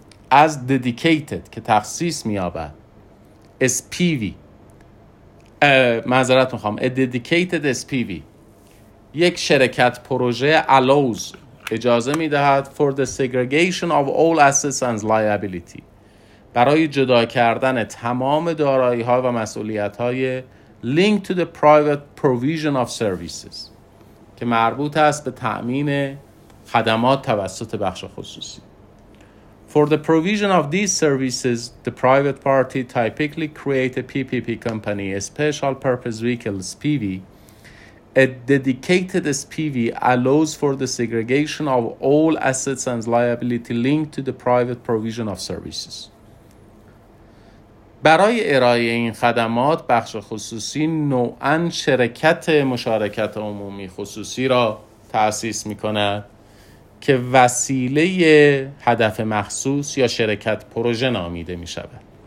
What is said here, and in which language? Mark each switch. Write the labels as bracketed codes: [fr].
[fa] از [en] dedicated [fa] که تخصیص میابد SPV، معذرت میخوام، [en] A dedicated SPV، [fa] یک شرکت پروژه [en] allows، [fa] اجازه میدهد، [en] for the segregation of all assets and liability، [fa] برای جدا کردن تمام دارایی ها و مسئولیت های [en] link to the private provision of services [fa] که مربوط است به تأمین خدمات توسط بخش خصوصی. [en] For the provision of these services the private party typically create a PPP company, a special purpose vehicle SPV. A dedicated SPV allows for the segregation of all assets and liability linked to the private provision of services. [fa] برای ارائه این خدمات بخش خصوصی نوعاً شرکت مشارکت عمومی خصوصی را تأسیس می‌کند که وسیله هدف مخصوص یا شرکت پروژه نامیده می‌شود.